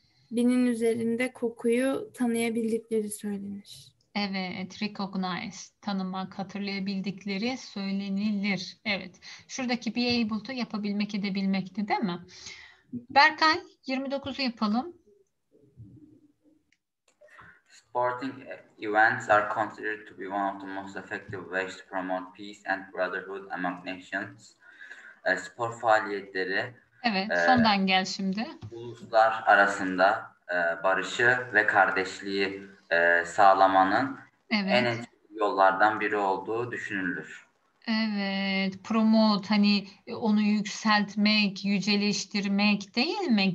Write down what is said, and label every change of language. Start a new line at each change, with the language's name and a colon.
Turkish: Binin üzerinde kokuyu tanıyabildikleri söylenir. Evet, recognize, tanımak, hatırlayabildikleri söylenilir. Evet, şuradaki be able to yapabilmek edebilmekti değil mi? Berkay 29'u yapalım.
English: Sporting events are considered to be one of the most effective ways to promote peace and brotherhood among nations.
Turkish: Spor faaliyetleri. Evet, sondan gel şimdi. Uluslar arasında barışı ve kardeşliği sağlamanın en etkili yollardan biri olduğu düşünülür. Evet, promote hani onu yükseltmek, yüceleştirmek değil mi?